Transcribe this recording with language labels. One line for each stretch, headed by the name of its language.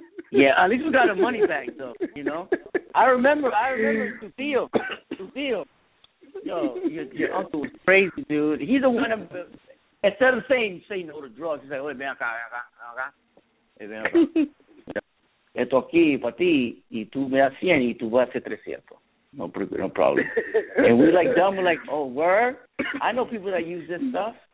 English: Yeah, at least we got our money back though. I remember Tufio, your uncle was crazy, dude. He's the one instead of saying no to drugs, he's like,
Spanish: "Oye, ven acá, ven acá. Esto aquí para ti, y tú me das 100 y tú vas a hacer 300.
English: No problem." And we like dumb, we're like, "Oh, word? I know people that use this stuff."